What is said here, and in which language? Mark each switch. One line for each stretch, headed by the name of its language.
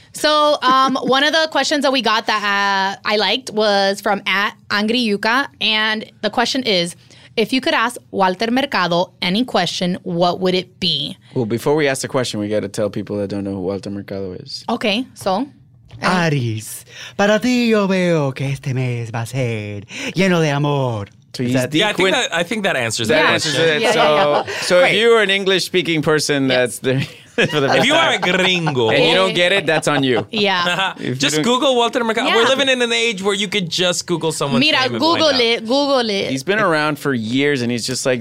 English: So one of the questions that we got that I liked was from @angriyuka, and the question is, if you could ask Walter Mercado any question, what would it be? Well, before we ask the question, we got to tell people that don't know who Walter Mercado is. Okay, so.
Spanish: Aries, para ti yo veo que este mes va a ser lleno de amor.
English: So I think that answers it. Yeah. So if you are an English-speaking person, yes, that's the... If you are a gringo and you don't get it, that's on you. Yeah. Just Google Walter Mercado. Yeah. We're living in an age where you could just Google someone's
Spanish: Mira,
English: name. Mira, Google it. He's been around for years and he's just like,